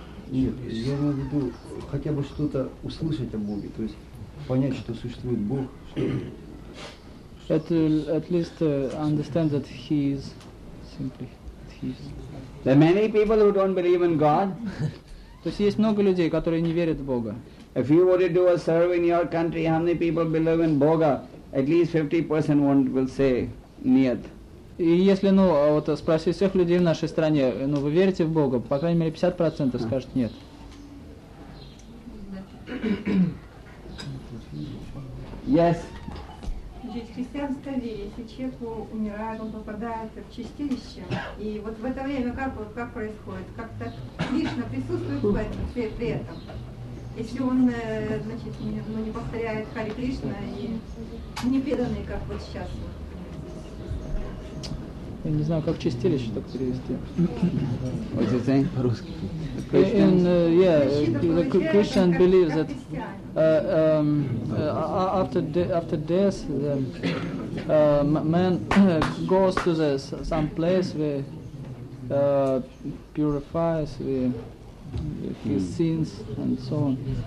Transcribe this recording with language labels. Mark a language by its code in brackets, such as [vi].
[ru] Нет, я имею в виду хотя бы что-то услышать о Боге, то есть понять, что существует Бог. [en] At least understand that He is simply He is. There are many people who don't believe in God. [ru] То есть есть много людей, которые не верят в Бога. [en] If you were to do a survey in your country, how many people believe in Boga? At least 50% will say нет. [ru] И если, ну, вот спросить всех людей в нашей стране, ну, вы верите в Бога? По крайней мере, 50% скажут нет. [en] Yes. [ru] Ведь христианское верие, если человек умирает, он попадает в чистилище, и вот в это время как происходит? Как-то лично присутствует при этом? Если он, значит, не повторяет Хари Кришна и не преданный, как вот сейчас. Я не знаю, как чистилище так перевести. [en] What you say? [ru] По-русски. [en] The Christian believes that after death, the man goes to some place where purifies his sins and so on.